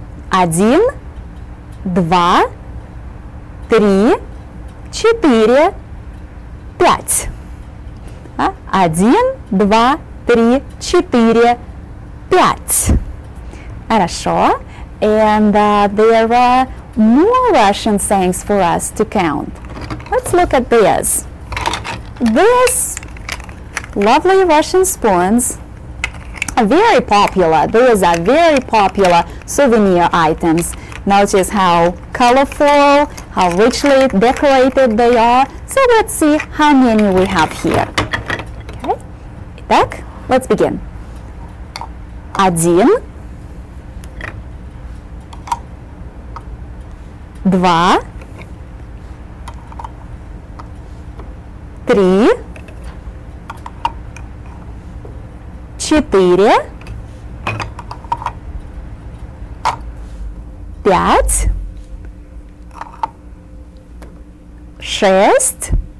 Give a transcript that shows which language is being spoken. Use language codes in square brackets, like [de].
[ru] Один, два, три, четыре, пять. Один, два, три, четыре, пять. Хорошо. [en] And there are more Russian sayings for us to count. Let's look at this. This lovely Russian spoons are very popular. These are very popular souvenir items. Notice how colorful, how richly decorated they are. So let's see how many we have here. Так, let's begin. [ru] Один, два, три, четыре, пять, шесть.